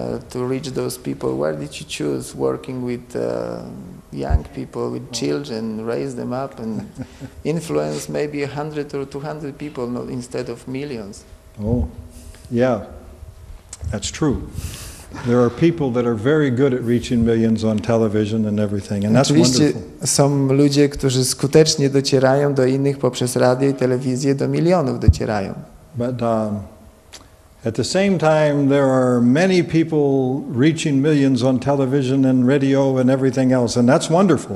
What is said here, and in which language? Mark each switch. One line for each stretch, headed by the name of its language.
English: to reach those people? Where did you choose working with young people, with children, raise them up and influence maybe 100 or 200 people instead of millions? Oh, yeah, that's true. There are people that are very good at reaching millions on television and everything, and that's
Polish: oczywiście
English: wonderful.
Polish: Są ludzie, którzy skutecznie docierają do innych poprzez radio i telewizję, do milionów docierają.
English: But at the same time, there are many people reaching millions on television and radio and everything else, and that's wonderful.